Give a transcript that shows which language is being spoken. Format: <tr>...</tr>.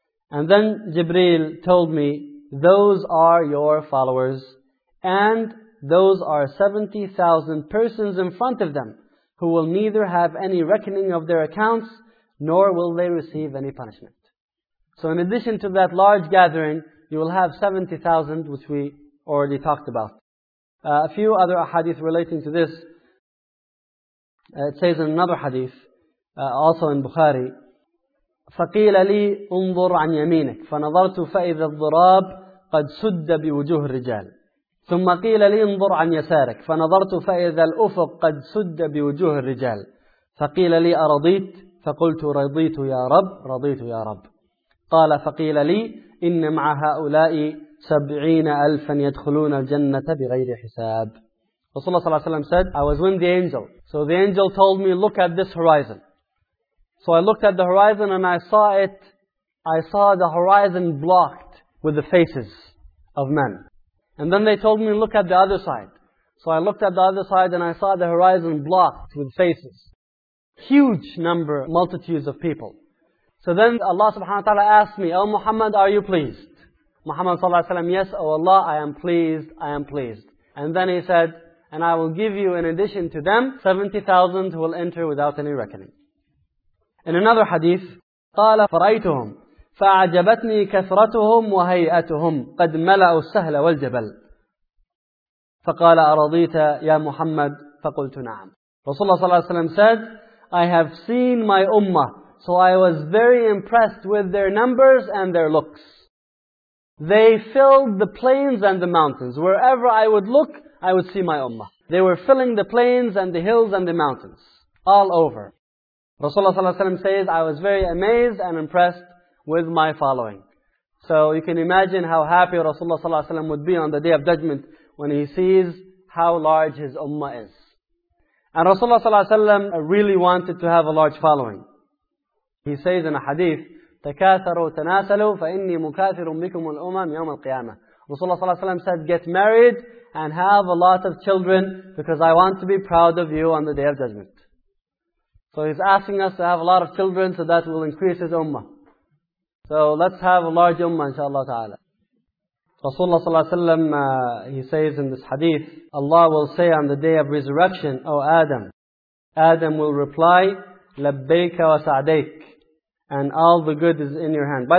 <en>And then Jibreel told me, those are your followers, and those are 70,000 persons in front of them who will neither have any reckoning of their accounts, nor will they receive any punishment. So in addition to that large gathering, you will have 70,000, which we already talked about. A few other ahadith relating to this. It says in another hadith, also in Bukhari,</en> <ar>فَقِيلَ لِي أُنظُرْ عَنْ يَمِينِكَ فَنَظَرْتُ فَإِذَا الضُّرَابِ قَدْ سُدَّ بِوُجُوهِ الرِّجَالِ ثُمَّ قِيلَ لِي انظُرْ عَنْ يَسَارِكَ فَنَظَرْتُ فَإِذَا الْأُفُقْ قَدْ سُدَّ بِوُجُوهِ الرِّجَالِ فَقِيلَ لِي أَرَضِيتُ فَقُلْتُ رَضِيتُ يَا رَبِّ رَضِيتُ يَا رَبِّ قَالَ فَقِيلَ لِي إِنَّ مَعَ هَؤُلَاءِ 70,000 يَدْخُلُونَ الْجَنَّةَ بِغَيْرِ حِسَابٍ.</ar> <en>Rasulullah صلى الله عليه وسلم said, I was with the angel. So the angel told me, look at this horizon. So I looked at the horizon and I saw it. I saw the horizon blocked with the faces of men. And then they told me, look at the other side. So I looked at the other side and I saw the horizon blocked with faces. Huge number, multitudes of people. So then Allah subhanahu wa ta'ala asked me, O Muhammad, are you pleased? Muhammad sallallahu alayhi wa sallam, yes, O Allah, I am pleased, I am pleased. And then he said, and I will give you in addition to them, 70,000 who will enter without any reckoning. In another hadith,</en> <ar>قَالَ فَرَأَيْتُهُمْ فَأَعْجَبَتْنِي كَثْرَتُهُمْ وَهَيْئَتُهُمْ قَدْ مَلَأُوا السَّهْلَ وَالْجَبَلِ فَقَالَ أَرَضِيتَ يَا مُحَمَّدْ فَقُلْتُ نَعَمْ.</ar> <en>Rasulullah صلى الله عليه وسلم said, I have seen my ummah, so I was very impressed with their numbers and their looks. They filled the plains and the mountains. Wherever I would look, I would see my ummah. They were filling the plains and the hills and the mountains, all over. Rasulullah صلى الله عليه وسلم says, I was very amazed and impressed with my following. So you can imagine how happy Rasulullah sallallahu alaihi wasallam would be on the Day of Judgment when he sees how large his ummah is. And Rasulullah sallallahu alaihi wasallam really wanted to have a large following. He says in a hadith,</en> <ar>تَكَاثَرُوا تَنَاسَلُوا فَإِنِّي مُكَاثِرٌ بِكُمُ الْأُمَمِ يَوْمَ الْقِيَامَةِ.</ar> <en>Rasulullah sallallahu alaihi wasallam said, get married and have a lot of children because I want to be proud of you on the Day of Judgment. So he's asking us to have a lot of children so that will increase his ummah. So let's have a large ummah, inshaAllah ta'ala. Rasulullah sallallahu alayhi wa sallam, he says in this hadith, Allah will say on the day of resurrection, O Adam, Adam will reply, Labbayka wa sa'dayk, and all the good is in your hand.</en>